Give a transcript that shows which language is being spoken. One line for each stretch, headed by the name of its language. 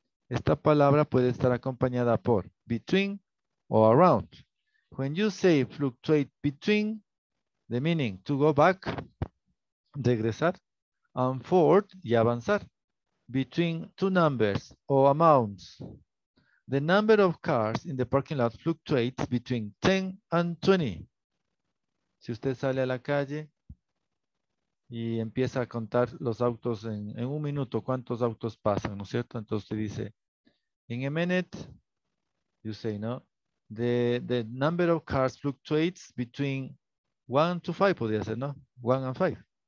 Spanish: Esta palabra puede estar acompañada por between or around.
English: When you say fluctuate between, the meaning to go back, regresar, and forward
Spanish: y avanzar.
English: Between two numbers or amounts. The number of cars in the parking lot fluctuates between 10 and 20.
Spanish: Si usted sale a la calle y empieza a contar los autos en un minuto, ¿cuántos autos pasan? ¿No es cierto? Entonces usted dice,
English: in a minute, you say, no. The number of cars fluctuates between 1 to 5,
Spanish: podría ser,
English: ¿no? 1 and 5.